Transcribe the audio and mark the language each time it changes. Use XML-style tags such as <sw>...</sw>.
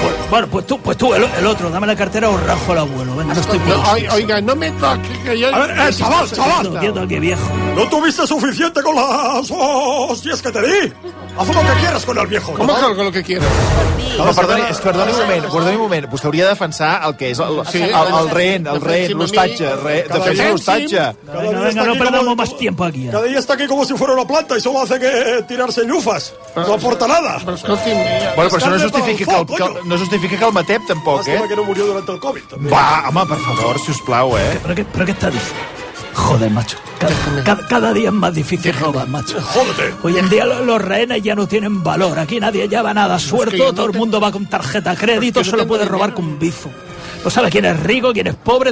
<es>Bueno, pues tú, el otro, dame la cartera o rajo al abuelo. Venga, no estoy pidiendo. Oiga, no me toque, que yo... A ver, chaval. Qué viejo. ¿No tuviste suficiente con las hostias que te di? Haz lo que quieras con el viejo. ¿Cómo que con lo que quieras?</es> <ca>No, perdoni un moment. Vostè hauria de defensar el que és el rehén, l'hostatge. Defensa l'hostatge. No perdem més temps aquí. Cada dia està aquí com si fos una planta i</ca> <es>solo hace que</es> <ca>tirar-se llufes.</ca> <es>No aporta nada.</es> <ca>Bueno, però això no justifica que el matem, tampoc, eh?</ca> <es>Lástima que no murió durant el Covid.</es> <ca>Va, home, per favor, si us plau, eh? Però què està dient?</ca> <es>Joder, macho. Cada día es más difícil robar, macho. Jódete. Hoy en día los rehenes ya no tienen valor. Aquí nadie lleva nada suelto. Todo el mundo va con tarjeta crédito. Solo puede robar con bizo. No sabe quién es rico, quién es pobre.</es>